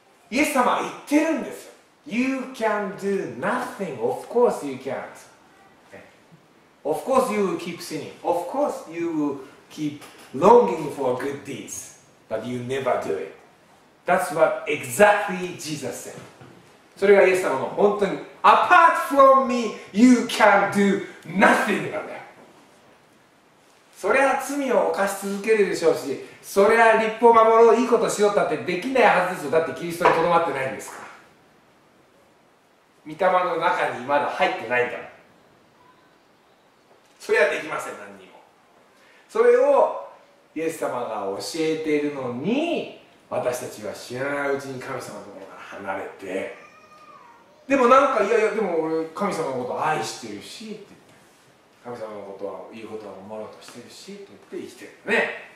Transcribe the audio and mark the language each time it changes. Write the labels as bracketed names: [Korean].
[Japanese] イエス様は言ってるんですよ [English] You can do nothing Of course you can't Of course you will keep sinning Of course you will keepLonging for good deeds, but you never do it. That's what exactly Jesus said. [Japanese] それがイエス様の本当に [English] Apart from me, you can do nothing. [Japanese] なんだよ。それは罪を犯し続けるでしょうし、それは律法を守ろう、いいことしようったってできないはずですよ。だってキリストにとどまってないんですから。御霊の中にまだ入ってないから。それはできません、何にも。それをイエス様が教えているのに私たちは知らないうちに神様のところから離れてでもなんかいやいやでも俺神様のことを愛してるしって言って神様のことは言うことは守ろうとしてるしと言って生きてるね